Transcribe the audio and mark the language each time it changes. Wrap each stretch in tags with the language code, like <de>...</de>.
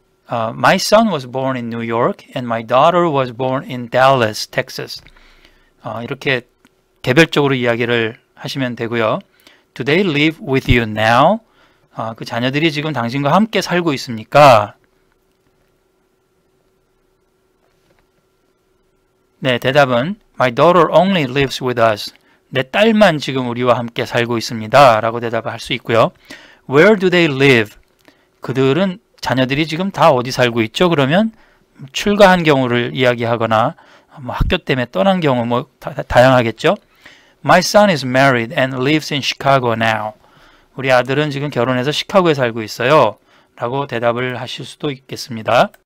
<en>My son was born in New York and my daughter was born in Dallas, Texas.</en> <ko>이렇게 개별적으로 이야기를 하시면 되고요.</ko> <en>Do they live with you now?</en> <ko>아, 그 자녀들이 지금 당신과 함께 살고 있습니까? 네, 대답은</ko> <en>My daughter only lives with us.</en> <ko>내 딸만 지금 우리와 함께 살고 있습니다. 라고 대답을 할 수 있고요.</ko> <en>Where do they live?</en> <ko>그들은 자녀들이 지금 다 어디 살고 있죠? 그러면 출가한 경우를 이야기하거나 뭐 학교 때문에 떠난 경우 뭐 다양하겠죠?</ko> <en>My son is married and lives in Chicago now.</en> <ko>우리 아들은 지금 결혼해서 시카고에 살고 있어요. 라고 대답을 하실 수도 있겠습니다.</ko>